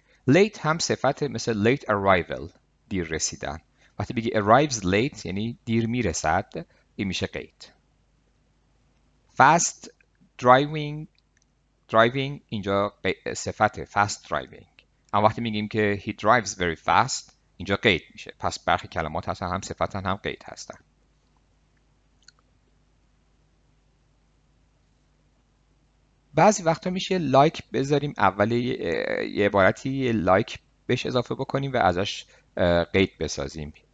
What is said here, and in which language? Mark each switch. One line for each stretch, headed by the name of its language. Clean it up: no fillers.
Persian: late هم صفت، مثل late arrival، دیر رسیدن. وقتی بگی arrives late یعنی دیر میرسد، این میشه قید. fast driving اینجا صفته، fast driving. اما وقتی میگیم که
English: he drives very fast،
Persian: اینجا قید میشه. پس برخی کلمات هستن هم صفتن هم قید هستن. بعضی وقتا میشه like بذاریم اول یه عبارتی like بهش اضافه بکنیم و ازش قید بسازیم.